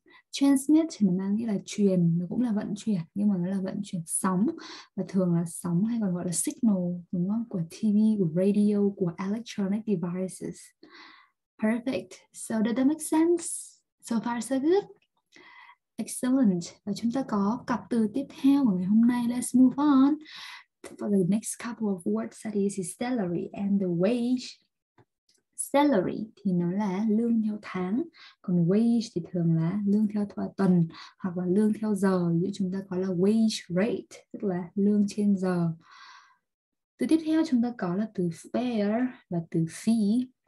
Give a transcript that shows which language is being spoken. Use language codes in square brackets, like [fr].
[vi] Transmit thì nó mang nghĩa là truyền, nó cũng là vận chuyển nhưng mà nó là vận chuyển sóng, và thường là sóng hay còn gọi là signal, đúng không, của TV, của radio, của electronic devices. [en] Perfect. So does that make sense? So far so good. Excellent. [vi] Và chúng ta có cặp từ tiếp theo của ngày hôm nay. [en] Let's move on for the next couple of words, that is salary and the wage. [vi] Salary thì nó là lương theo tháng, còn wage thì thường là lương theo tuần hoặc là lương theo giờ, như chúng ta có là wage rate, tức là lương trên giờ. Từ tiếp theo chúng ta có là từ fare và từ fee.